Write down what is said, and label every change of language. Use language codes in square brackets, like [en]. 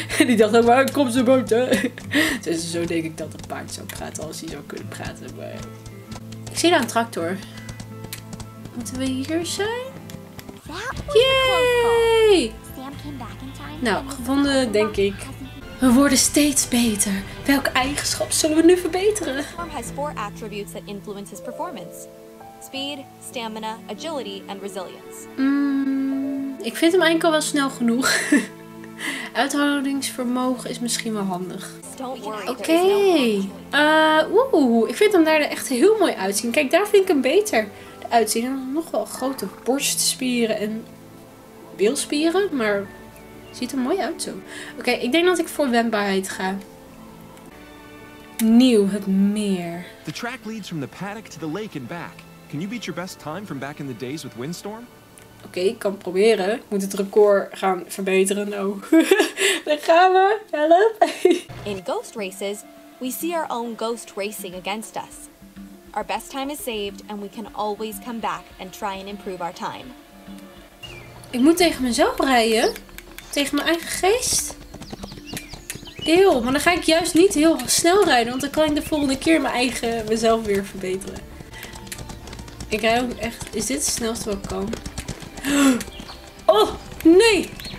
[nl] Die dacht ook, maar kom eens naar buiten. Dus zo denk ik dat een paard zou praten als hij zou kunnen praten. Maar... ik zie daar een tractor. Moeten we hier zijn? Yay! Nou, gevonden denk ik. We worden steeds beter. Welke eigenschap zullen we nu verbeteren? [en] The platform has four attributes that influence his performance. Speed, stamina, agility and resilience. [nl] Ik vind hem eigenlijk al wel snel genoeg. Uithoudingsvermogen is misschien wel handig. Oké. Okay. Ik vind hem daar echt heel mooi uitzien. Kijk, daar vind ik hem beter uitzien. Hij heeft nog wel grote borstspieren en bilspieren, maar... ziet er mooi uit zo. Oké, ik denk dat ik voor wendbaarheid ga. Nieuw, het meer. [en] The track leads from the paddock to the lake and back. Can you beat your best time from back in the days with Windstorm? [nl] Oké, ik kan proberen. Ik moet het record gaan verbeteren. Nou, daar gaan we. Help. [en] In ghost races, we see our own ghost racing against us. Our best time is saved and we can always come back and try and improve our time. [nl] Ik moet tegen mezelf rijden. Tegen mijn eigen geest? Eeuw, maar dan ga ik juist niet heel snel rijden. Want dan kan ik de volgende keer mezelf weer verbeteren. Ik rij ook echt... is dit het snelste wat ik kan? Oh, nee!